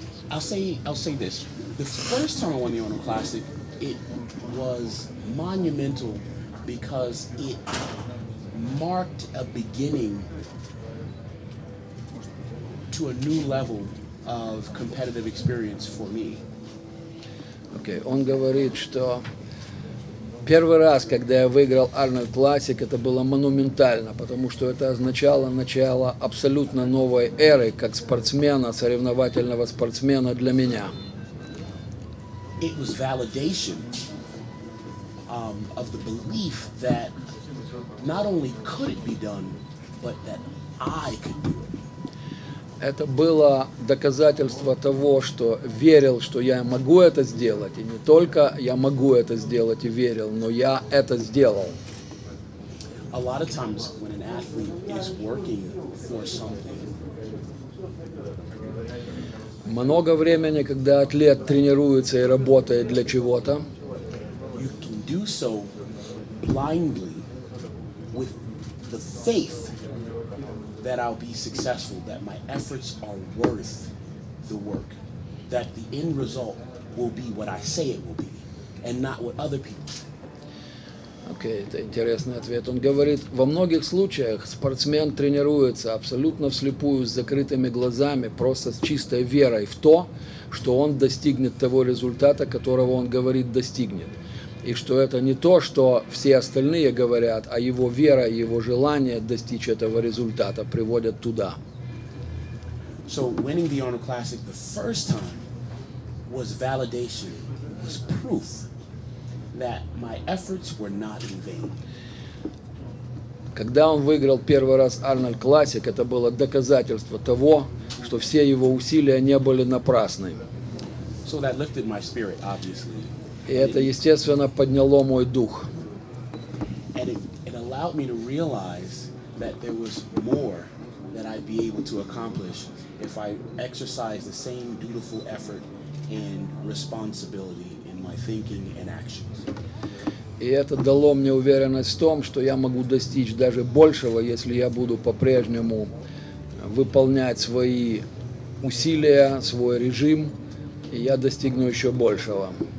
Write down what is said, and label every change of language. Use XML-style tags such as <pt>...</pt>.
<en>I'll say this. The first time I won the Arnold Classic, it was monumental because it marked a beginning to a new level of competitive experience for me.</en> <ru>Okay, он говорит, что первый раз, когда я выиграл Arnold Classic, это было монументально, потому что это означало начало абсолютно новой эры как спортсмена, соревновательного спортсмена для меня.</ru> <en>It was validation of the belief that not only could it be done, but that I could do it.</en> <ru>Это было доказательство того, что верил, что я могу это сделать, и не только я могу это сделать и верил, но я это сделал.</ru> <en>A lot of times when an athlete is working for something.</en> <ru>Много времени, когда атлет тренируется и работает для чего-то,</ru> <en>you can do so blindly with the faith that I'll be successful, that my efforts are worth the work, that the end result will be what I say it will be, and not what other people say.</en> <ru>Okay, это интересный ответ. Он говорит, во многих случаях спортсмен тренируется абсолютно вслепую, с закрытыми глазами, просто с чистой верой в то, что он достигнет того результата, которого он говорит достигнет. И что это не то, что все остальные говорят, а его вера, его желание достичь этого результата приводят туда.</ru> <en>So winning the Arnold Classic the first time was validation, was proof that my efforts were not in vain.</en> <ru>Когда он выиграл первый раз Arnold Classic, это было доказательство того, что все его усилия не были напрасны.</ru> <en>So that lifted my spirit, obviously.</en> <ru>И это, естественно, подняло мой дух. И это дало мне уверенность в том, что я могу достичь даже большего, если я буду по-прежнему выполнять свои усилия, свой режим, и я достигну еще большего.</ru>